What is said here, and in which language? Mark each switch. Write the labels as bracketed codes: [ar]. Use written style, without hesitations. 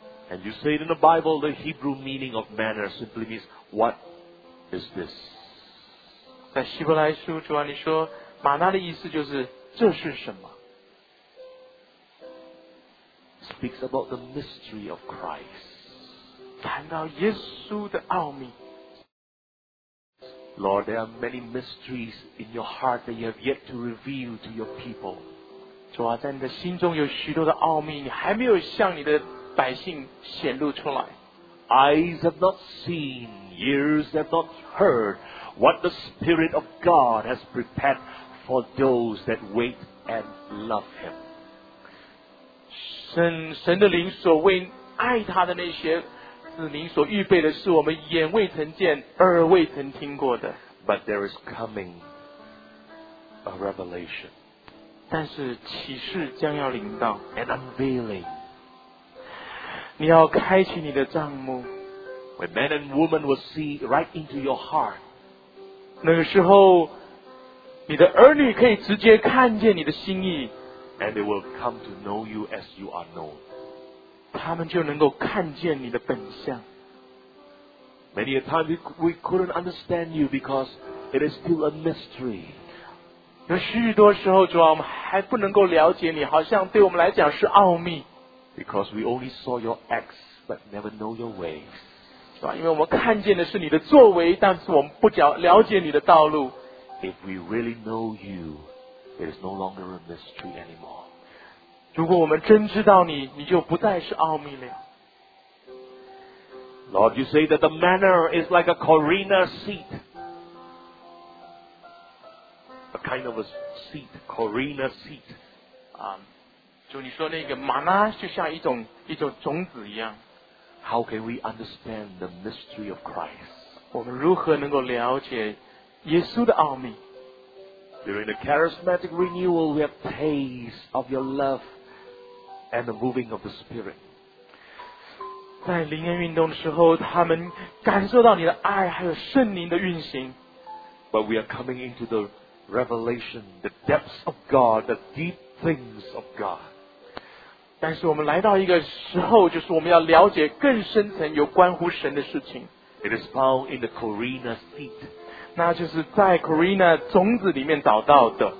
[en] And you say it in the Bible the Hebrew meaning of manna simply means what is this? [zh] 在希伯来书主啊你说马拉的意思就是这是什么 [en] Speaks about the mystery of Christ. [zh] 谈到耶稣的奥秘。 [en] Lord, there are many mysteries in your heart that you have yet to reveal to your people. [zh] 主啊，在你的心中有许多的奥秘，你还没有向你的百姓显露出来。 [en] Eyes have not seen, ears have not heard what the Spirit of God has prepared for those that wait and love Him. [zh] 神的灵所为爱他的那些子民所预备的是我们眼未曾见耳未曾听过的 [en] But there is coming a revelation [zh] 但是启示将要临到 [en] An unveiling [zh] 你要开启你的帐幕 [en] When man and woman will see right into your heart [zh] 那个时候你的儿女可以直接看见你的心意 [en] And they will come to know you as you are known. [zh] 他们就能够看见你的本相。 [en] Many a time we couldn't understand you because it is still a mystery. [zh] 有许多时候主啊我们还不能够了解你好像对我们来讲是奥秘。 [en] Because we only saw your acts but never know your ways. [zh] 是吧因为我们看见的是你的作为但是我们不了解你的道路。 [en] If we really know you,It is no longer a mystery anymore. [zh] 如果我们真知道你，你就不再是奥秘了。 [en] Lord, you say that the manor is like a corina seat, a kind of a seat, corina seat. [zh] 就你说那个玛拉就像一种种子一样。 [en] How can we understand the mystery of Christ? [zh] 我们如何能够了解耶稣的奥秘？ [en] During the charismatic renewal, we have taste of your love and the moving of the Spirit. [zh] 在灵恩运动的时候，他们感受到你的爱，还有圣灵的运行。 [en] But we are coming into the revelation, the depths of God, the deep things of God. [zh] 但是我们来到一个时候，就是我们要了解更深层有关乎神的事情。 [en] It is found in the Corina seed. [zh] 那就是在 Corina 种子里面找到的。